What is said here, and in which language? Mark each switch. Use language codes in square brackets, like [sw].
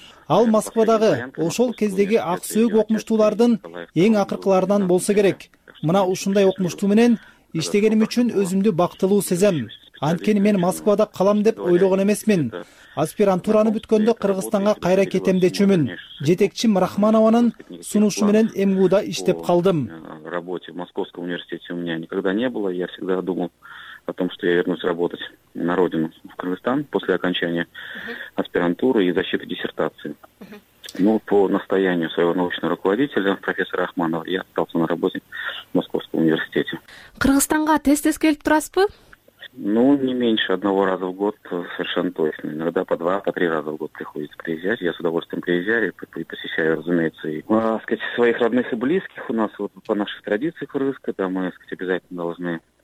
[ky] Ал Москвадагы ошол кездеги ак сөөк окумуштуулардын эң акыркыларынан болсо керек. Мына ушундай окумуштуу менен иштегеним үчүн өзүмдү бактылуу сезем. Анткени мен Москвада калам деп ойлогон эмесмин. Аспирантураны бүткөндө Кыргызстанга кайра кетем дечүмүн. Жетекчим Рахманованын сунушу менен МГУда иштеп калдым. [ru] В работе в Московском университете у меня никогда не было. Я всегда думал о том, что я вернусь работать на родину, в Кыргызстан, после окончания аспирантуры и защиты диссертации. Но по настоянию своего научного руководителя, профессора Ахманова, я остался на работе в Московском университете. [ky] Кыргызстанга тез-тез келип турасызбы? [ru] Ну, не меньше одного раза в год, совершенно точно. Иногда по два, по три раза в год приходится приезжать. Я с удовольствием приезжаю и посещаю, разумеется, и, сказать, своих родных и близких. У нас вот по нашей традиции кыргызской, да, мы, сказать, обязательно должны...